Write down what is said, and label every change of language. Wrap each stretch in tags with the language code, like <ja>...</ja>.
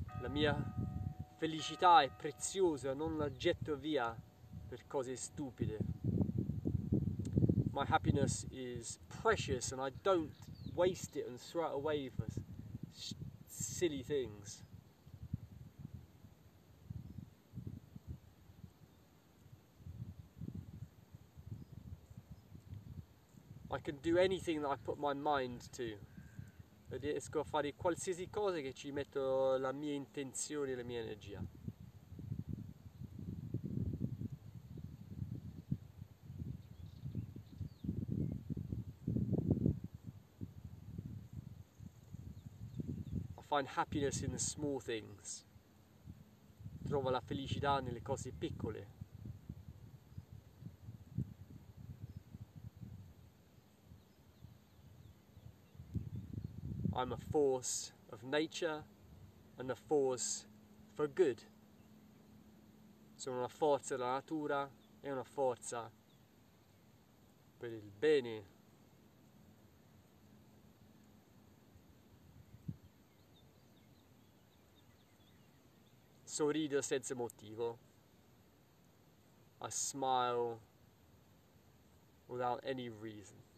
<it>Mia felicità è preziosa, non la getto via per cose stupide.</it> <en>My happiness is precious and I don't waste it and throw it away for silly things. I can do anything that I put my mind to.</en> <it>Riesco a fare qualsiasi cosa che ci metto la mia intenzione e la mia energia.</it> <en>I find happiness in the small things.</en> <it>Trovo la felicità nelle cose piccole.</it> <en>I'm a force of nature and a force for good.</en> <it>Sono una forza della natura e una forza per il bene. Sorrido senza motivo.</it> <en>I smile without any reason.</en>